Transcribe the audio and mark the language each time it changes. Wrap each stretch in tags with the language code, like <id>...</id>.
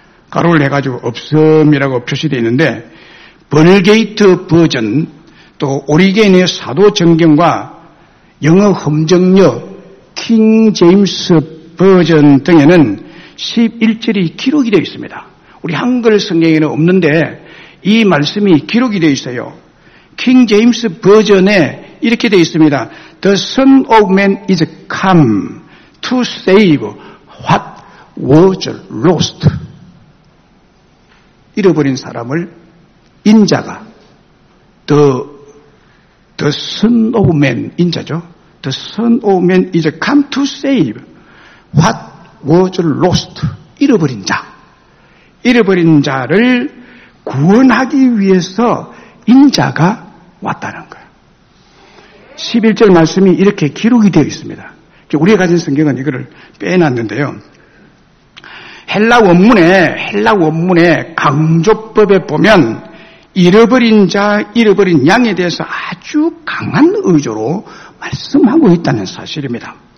<ko>가로를 해가지고 없음이라고 표시되어 있는데 벌게이트 버전 또 오리겐의 사도 정경과 영어 험정녀 킹 제임스 버전 등에는 11절이 기록이 되어 있습니다. 우리 한글 성경에는 없는데 이 말씀이 기록이 되어 있어요. 킹 제임스 버전에 이렇게 되어 있습니다.</ko> <en>The Son of Man is come to save what was lost.</en> <ko>잃어버린 사람을 인자가</ko> <en>The Son of Man</en> <ko>인자죠.</ko> <en>The Son of Man is come to save what was lost.</en> <ko>잃어버린 자. 잃어버린 자를 구원하기 위해서 인자가 왔다는 거예요. 11절 말씀이 이렇게 기록이 되어 있습니다. 우리가 가진 성경은 이거를 빼놨는데요. 헬라 원문에 강조법에 보면 잃어버린 자, 잃어버린 양에 대해서 아주 강한 의조로 말씀하고 있다는 사실입니다.</ko>